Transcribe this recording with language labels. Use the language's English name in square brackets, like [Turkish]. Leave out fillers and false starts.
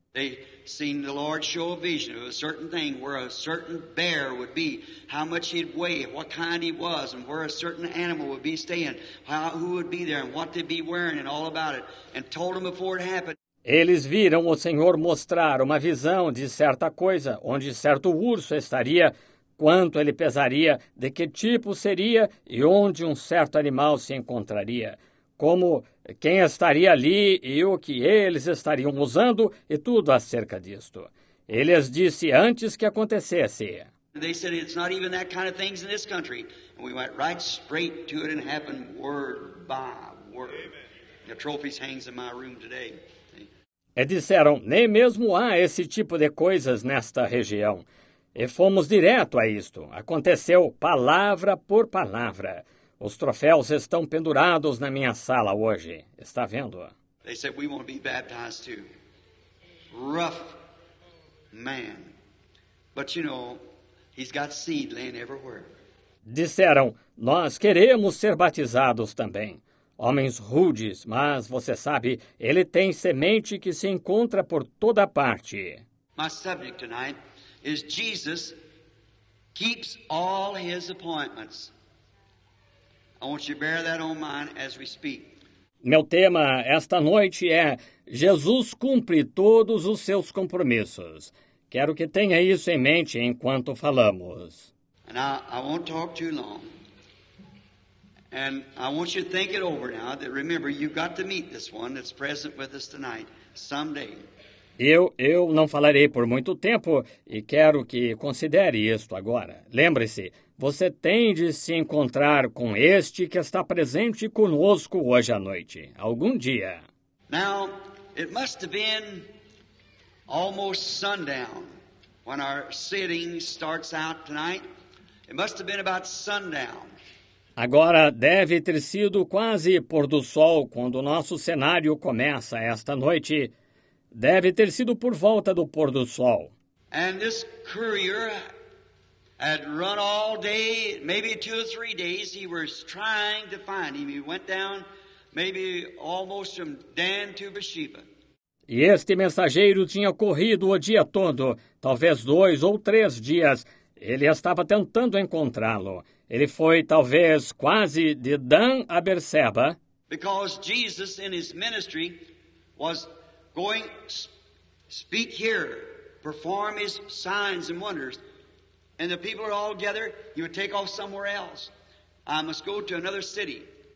[English] They seen the Lord show a vision of a certain thing, where a certain bear would be, how much he'd weigh, what kind he was, and where a certain animal would be staying, who would be there, and what they'd be wearing, and all about it, and told them before it happened. [Portuguese] Eles viram o Senhor mostrar uma visão de certa coisa, onde certo urso estaria, quanto ele pesaria, de que tipo seria e onde um certo animal se encontraria, como quem estaria ali e o que eles estariam usando e tudo acerca disto. Eles disse antes que acontecesse. [English] They said it's not even that kind of things in this country. And we went right straight to it and happened word by word. Amen. The trophies hangs in my room today. [Portuguese] E disseram, nem mesmo há esse tipo de coisas nesta região. E fomos direto a isto. Aconteceu palavra por palavra. Os troféus estão pendurados na minha sala hoje. Está vendo? [English] They said we want to be baptized too. Rough man. But you know, he's got seed laying everywhere. [Portuguese] Disseram, nós queremos ser batizados também. Homens rudes, mas você sabe, ele tem semente que se encontra por toda parte. [English] My subject tonight is Jesus keeps all his appointments. I want you to bear that on mind as we speak. [Portuguese] Meu tema esta noite é Jesus cumpre todos os seus compromissos. Quero que tenha isso em mente enquanto falamos. [English] And I won't talk too long. And I want you to think it over now, that remember, you've got to meet this one that's present with us tonight, someday. [Portuguese] Eu não falarei por muito tempo e quero que considere isto agora. Lembre-se, você tem de se encontrar com este que está presente conosco hoje à noite, algum dia. [English] Now, it must have been almost sundown when our sitting starts out tonight. It must have been about sundown. [Portuguese] Agora, deve ter sido quase pôr do sol quando o nosso cenário começa esta noite. Deve ter sido por volta do pôr do sol. [English] And this courier had run all day, maybe two or three days, he was trying to find him. He went down maybe almost from Dan to Beersheba. [Portuguese] E este mensageiro tinha corrido o dia todo, talvez 2 ou 3 dias. Ele estava tentando encontrá-lo. Ele foi, talvez, quase de Dan a Berseba. [English] Because Jesus in his ministry was going speak here, perform his signs and wonders, and the people are all together, he would take off somewhere else. I must go to another city.